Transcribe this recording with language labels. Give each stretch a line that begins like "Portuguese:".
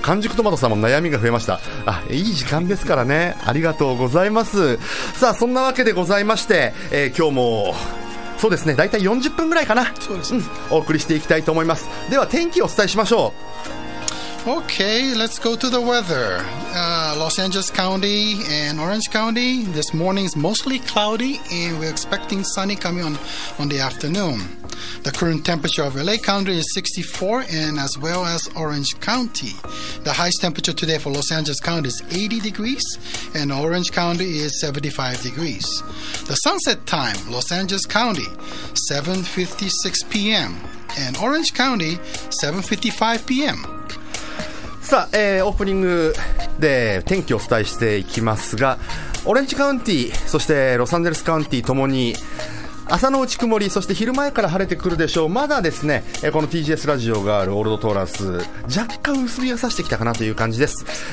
Japanese: 完熟トマトさんも悩みが増えました。あ、いい時間ですからね。ありがとうございます。さあ、そんなわけでございまして、今日も、そうですね、だいたい40分ぐらいかな。そうです、お送りしていきたいと思います。では、天気をお伝えしましょう。
English: Okay, let's go to the weather. Los Angeles County and Orange County, this morning is mostly cloudy and we're expecting sunny coming on the afternoon. The current temperature of LA County is 64 and as well as Orange County. The highest temperature today for Los Angeles County is 80 degrees and Orange County is 75 degrees. The sunset time, Los Angeles County, 7:56 p.m. and Orange County, 7:55 p.m.
Japanese: さあ、オープニングで天気をお伝えしていきますが、オレンジカウンティーそしてロサンゼルスカウンティーともに朝のうち曇り、そして昼前から晴れてくるでしょう。まだですね、この TGS ラジオがあるオールドトーランス若干薄日が差してきたかなという感じです。